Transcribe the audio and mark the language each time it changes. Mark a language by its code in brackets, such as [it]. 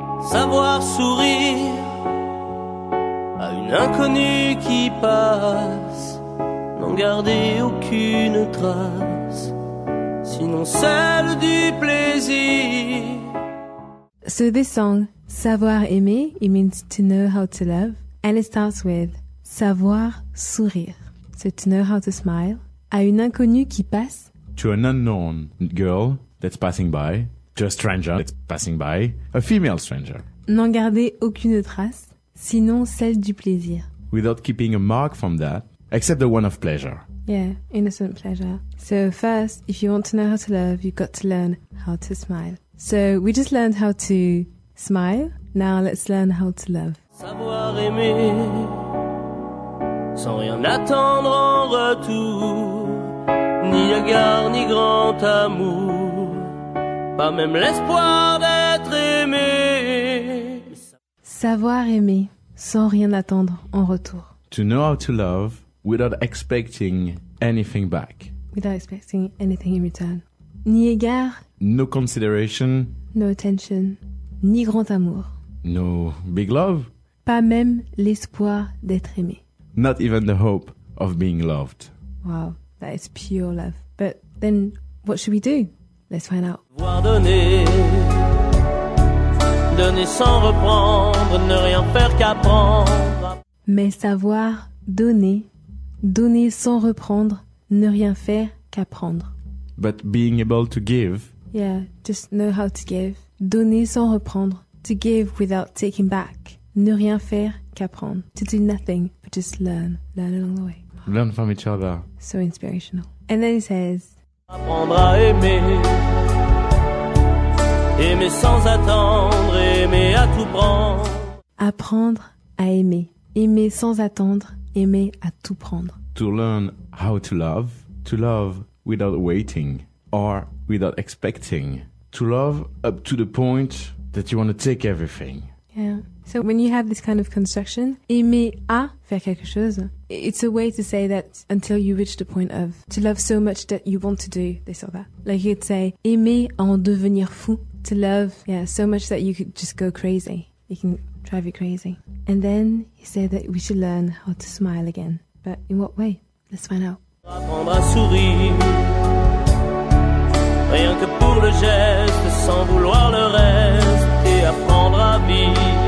[fr] Savoir sourire à une inconnue qui passe, n'en garder aucune trace, sinon celle du plaisir. [en] So this song, Savoir aimer, it means to know how to love. And it starts with [fr] savoir sourire. [en] So to know how to smile. [fr] À une inconnue qui passe. [en] To an unknown girl that's passing by. To a stranger that's passing by. A female stranger. [fr] N'en garder aucune trace, sinon celle du plaisir. [en] Without keeping a mark from that, except the one of pleasure. Yeah, innocent pleasure. So first, if you want to know how to love, you've got to learn how to smile. So we just learned how to smile. Now let's learn how to love. [fr] Savoir aimer, sans rien attendre en retour, ni regard, ni grand amour, pas même l'espoir d'être aimé. Savoir aimer, sans rien attendre en retour. [en] To know how to love without expecting anything back. Without expecting anything in return. [fr] Ni égard. [en] No consideration. No attention. [fr] Ni grand amour. [en] No big love. [fr] Pas même l'espoir d'être aimé. [en] Not even the hope of being loved. Wow, that is pure love. But then, what should we do? Let's find out. [fr] Voir donner. Donner sans reprendre. Ne rien faire qu'apprendre. Mais savoir donner. Donner sans reprendre, ne rien faire qu'apprendre. [en] But being able to give. Yeah, just know how to give. [fr] Donner sans reprendre. [en] To give without taking back. [fr] Ne rien faire qu'apprendre. [en] To do nothing, but just learn. Learn along the way. Learn from each other. So inspirational. And then he says... [fr] Apprendre à aimer. Aimer sans attendre. Aimer à tout prendre. Apprendre à aimer. Aimer sans attendre. Aimer à tout prendre. [en] To learn how to love without waiting or without expecting, to love up to the point that you want to take everything. Yeah. Yeah. So when you have this kind of construction, [fr] aimer à faire quelque chose, [en] it's a way to say that until you reach the point of to love so much that you want to do this or that. Like you'd say, [fr] aimer en devenir fou, [en] to love, yeah, so much that you could just go crazy. It can drive you crazy. And then he said that we should learn how to smile again. But in what way? Let's find out. [fr] Apprendre à sourire, rien que pour le geste, sans vouloir le reste, et apprendre à vivre.